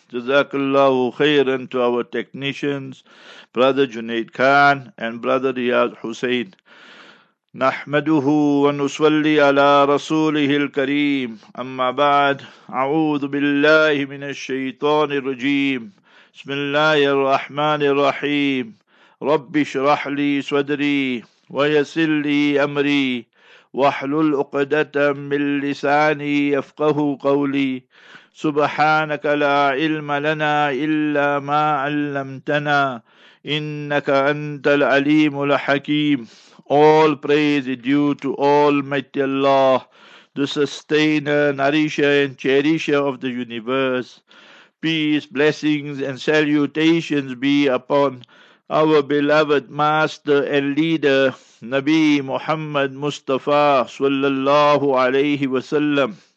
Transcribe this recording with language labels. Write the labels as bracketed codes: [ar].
[en] Jazakallahu khairan to our technicians, brother Junaid Khan and brother Riyaz Hussain. [ar] نحمده ونصلي على رسوله الكريم أما بعد أعوذ بالله من الشيطان الرجيم بسم الله الرحمن الرحيم رب اشرح لي صدري ويسر لي أمري واحلل عقدة من لساني يفقه قولي سبحانك لا علم لنا إلا ما علمتنا إنك أنت العليم الحكيم. [en] All praise is due to Almighty Allah, the sustainer, nourisher and cherisher of the universe. Peace, blessings and salutations be upon our beloved master and leader, Nabi Muhammad Mustafa sallallahu alayhi wa sallam.